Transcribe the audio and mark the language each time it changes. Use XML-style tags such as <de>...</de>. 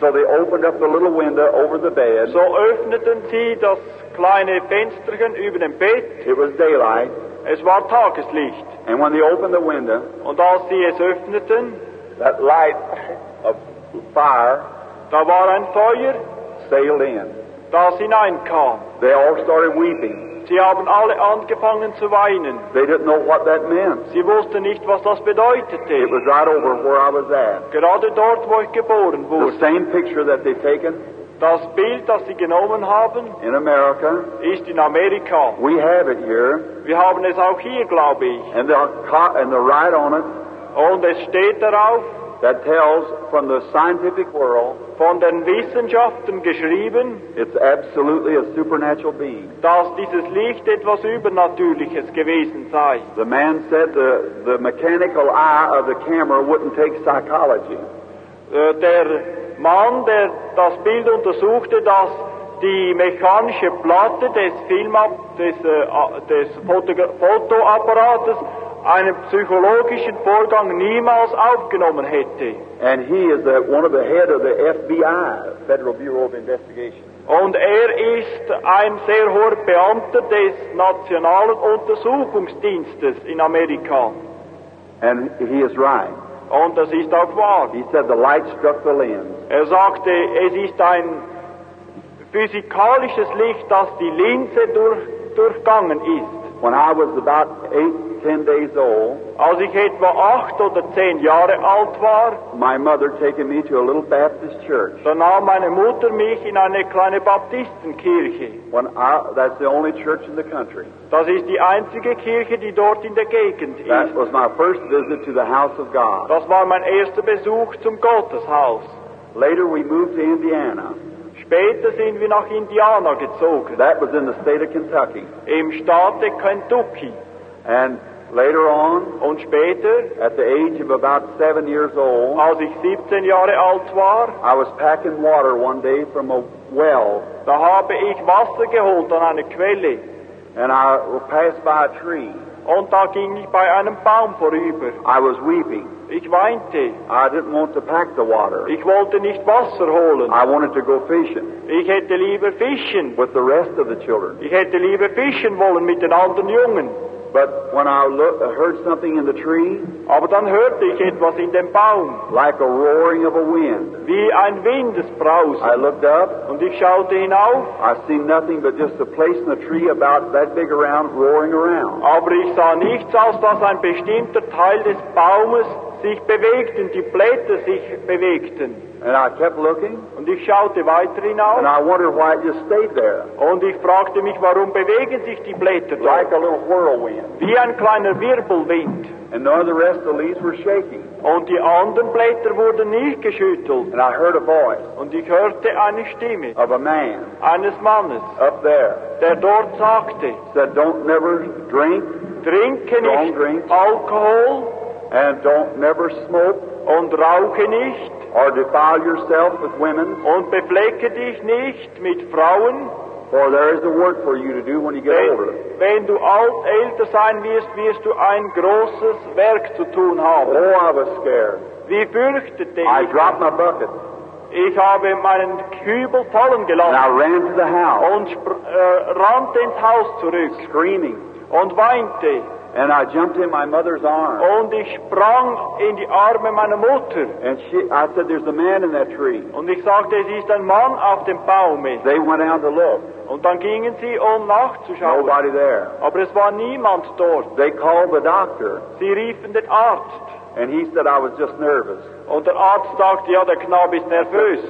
<en>So they opened up the little window over the bed.</en> <de>So öffneten sie das kleine Fensterchen über dem Bett.</de> <en>It was daylight.</en> <de>Es war Tageslicht.</de> <en>And when they opened the window.</en> <de>Und als sie es öffneten.</de> <en>That light of fire.</en> <de>Da war ein Feuer.</de> <en>Sailed in.</en> <de>Das hineinkam.</de> <en>They all started weeping.</en> <de>Sie haben alle angefangen zu weinen.</de> <en>They didn't know what that meant.</en> <de>Sie wussten nicht, was das bedeutete.</de> <en>It was right over where I was at.</en> <de>Gerade dort, wo ich geboren wurde.</de> <en>The same picture that they've taken.</en> <de>Das Bild, das sie genommen haben.</de> <en>In America.</en> <de>Ist in Amerika.</de> <en>We have it here.</en> <de>Wir haben es auch hier, glaube ich.</de> <en>And they write on it.</en> <de>Und es steht darauf.</de> <en>That tells from the scientific world.</en> <de>Von den Wissenschaften geschrieben.</de> <en>It's absolutely a supernatural being.</en> <de>Dass dieses Licht etwas Übernatürliches gewesen sei.</de> <en>The man said the mechanical eye of the camera wouldn't take psychology.</en> <de>Der Mann, der das Bild untersuchte, dass die mechanische Platte des Fotoapparates einen psychologischen Vorgang niemals aufgenommen hätte.</de> <en>And he is one of the head of the FBI, Federal Bureau of Investigation.</en> <de>Und ist ein sehr hoher Beamter des Nationalen Untersuchungsdienstes in Amerika.</de> <en>And he is right.</en> <de>Und das ist auch wahr.</de> <en>He said the light struck the lens.</en> <de>Sagte, es ist ein physikalisches Licht, das die Linse durchgangen ist.</de> <en>When I was about 8, 10 days old,</en> <de>als ich etwa 8 oder 10 Jahre alt war,</de> <en>my mother taken me to a little Baptist church.</en> <de>Dann nahm meine Mutter mich in eine kleine Baptistenkirche.</de> <en>That's the only church in the country.</en> <de>Das ist die einzige Kirche, die dort in der Gegend ist.</de> <en>That was my first visit to the house of God.</en> <de>Das war mein erster Besuch zum Gotteshaus.</de> <en>Later we moved to Indiana.</en> <de>Später sind wir nach Indiana gezogen.</de> <en>That was in the state of Kentucky.</en> <de>Im Staate Kentucky.</de> <en>And later on,</en> <de>und später,</de> <en>at the age of about 7 years old,</en> <de>als ich 17 Jahre alt war,</de> <en>I was packing water one day from a well.</en> <de>Da habe ich Wasser geholt an eine Quelle.</de> <en>And I passed by a tree.</en> <de>Und da ging ich bei einem Baum vorüber.</de> <en>I was weeping.</en> <de>Ich weinte.</de> <en>I didn't want to pack the water.</en> <de>Ich wollte nicht Wasser holen.</de> <en>I wanted to go fishing.</en> <de>Ich hätte lieber fischen.</de> <en>With the rest of the children.</en> <de>Ich hätte lieber fischen wollen mit den anderen Jungen.</de> <en>But when I heard something in the tree.</en> <de>Aber dann hörte ich etwas in dem Baum.</de> <en>Like a roaring of a wind.</en> <de>Wie ein Windesbrausen.</de> <en>I looked up.</en> <de>Und ich schaute hinauf.</de> <en>I seen nothing but just a place in the tree about that big around roaring around.</en> <de>Aber ich sah nichts als dass ein bestimmter Teil des Baumes sich bewegten, die Blätter sich bewegten.</de> <en>And I kept looking.</en> <de>Und ich schaute weiter hinauf.</de> <en>And I wondered why it just stayed there.</en> <de>Und ich fragte mich, warum bewegen sich die Blätter dort?</de> <en>Like a little whirlwind.</en> <de>Wie ein kleiner Wirbelwind.</de> <en>And none of the rest of the leaves were shaking.</en> <de>Und die anderen Blätter wurden nicht geschüttelt.</de> <en>And I heard a voice.</en> <de>Und ich hörte eine Stimme.</de> <en>Of a man.</en> <de>Eines Mannes.</de> <en>Up there.</en> <de>Der dort sagte.</de> <en>Said, don't never drink.</en> <de>Trinke nicht</de> <en>drink.</en> <de>Alkohol.</de> <en>And don't never smoke.</en> <de>Und rauche nicht.</de> <en>Or defile yourself with women.</en> <de>Und beflecke dich nicht mit Frauen.</de> <en>For there is a work for you to do when you get older.</en> <de>Wenn du alt, älter sein wirst, wirst du ein großes Werk zu tun haben.</de> <en>Oh, I was scared.</en> <de>Wie fürchtete ich.</de> <en>I dropped my bucket.</en> <de>Ich habe meinen Kübel fallen gelassen.</de> <en>And I ran to the house.</en> <de>Und rannte ins Haus zurück.</de> <en>Screaming.</en> <de>Und weinte.</de> <en>And I jumped in my mother's arms.</en> <de>Und ich sprang in die Arme meiner Mutter.</de> <en>And she, I said, there's a man in that tree.</en> <de>Und ich sagte, es ist ein Mann auf dem Baum.</de> <en>They went out to look.</en> <de>Und dann gingen sie, um nachzuschauen.</de> <en>Nobody there.</en> <de>Aber es war niemand dort.</de> <en>They called the doctor.</en> <de>Sie riefen den Arzt.</de> <en>And he said, I was just nervous.</en> <de>Und der Arzt sagte, ja, der Knabe ist nervös.</de>